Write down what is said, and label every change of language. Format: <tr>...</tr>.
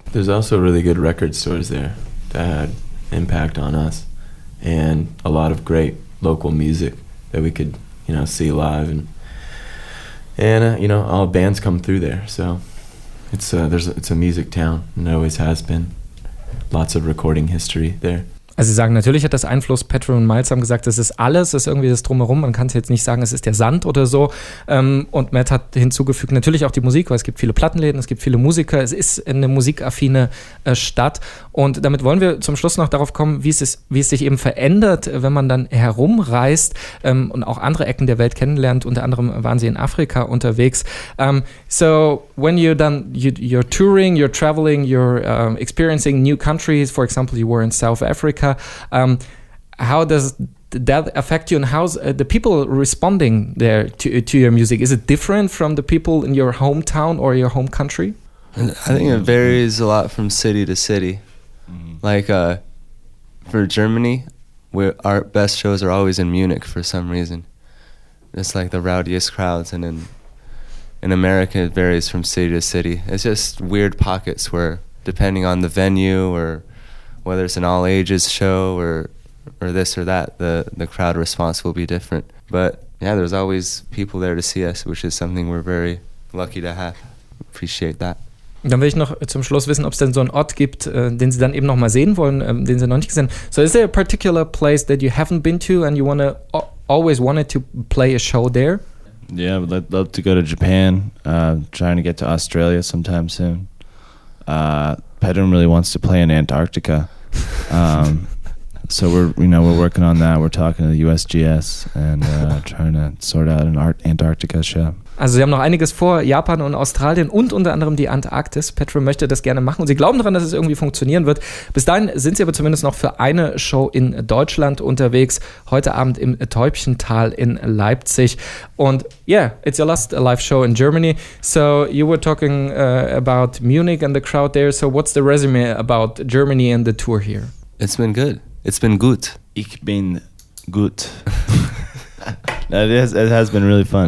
<en>there's also really good record stores there that had impact on us, and a lot of great local music that we could see live. And all bands come through there, so it's a music town, and it always has been. Lots of recording history there.</en> <de>Also Sie sagen, natürlich hat das Einfluss, Petro und Miles haben gesagt, das ist alles, das ist irgendwie das Drumherum, man kann es jetzt nicht sagen, es ist der Sand oder so. Und Matt hat hinzugefügt, natürlich auch die Musik, weil es gibt viele Plattenläden, es gibt viele Musiker, es ist eine musikaffine Stadt. Und damit wollen wir zum Schluss noch darauf kommen, wie es sich eben verändert, wenn man dann herumreist und auch andere Ecken der Welt kennenlernt. Unter anderem waren Sie in Afrika unterwegs.</de> <en>So, when you're done, you're touring, you're traveling, you're experiencing new countries, for example, you were in South Africa. How does that affect you, and how's the people responding there to your music? Is it different from the people in your hometown or your home country? I think it varies a lot from city to city. Mm-hmm. Like for Germany, our best shows are always in Munich for some reason. It's like the rowdiest crowds, and in America, it varies from city to city. It's just weird pockets where, depending on the venue or whether it's an all ages show or this or that, the crowd response will be different. But yeah, there's always people there to see us, which is something we're very lucky to have. Appreciate that.</en> <de>Dann will ich noch zum Schluss wissen, ob es denn so einen Ort gibt, den Sie dann eben noch mal sehen wollen, den Sie noch nicht gesehen haben.</de> <en>So is there a particular place that you haven't been to and you always wanted to play a show there? Yeah, I would love to go to Japan. Trying to get to Australia sometime soon. Pedram really wants to play in Antarctica, so we're working on that. We're talking to the USGS and trying to sort out an Antarctica show.</en> <de>Also Sie haben noch einiges vor, Japan und Australien und unter anderem die Antarktis. Petra möchte das gerne machen und Sie glauben daran, dass es irgendwie funktionieren wird. Bis dahin sind Sie aber zumindest noch für eine Show in Deutschland unterwegs, heute Abend im Täubchental in Leipzig.</de> <en>Und yeah, it's your last live show in Germany. So you were talking about Munich and the crowd there. So what's the resume about Germany and the tour here? It's been good. It's been gut.</en> <de>Ich bin gut.</de> <en>It has been really fun.</en>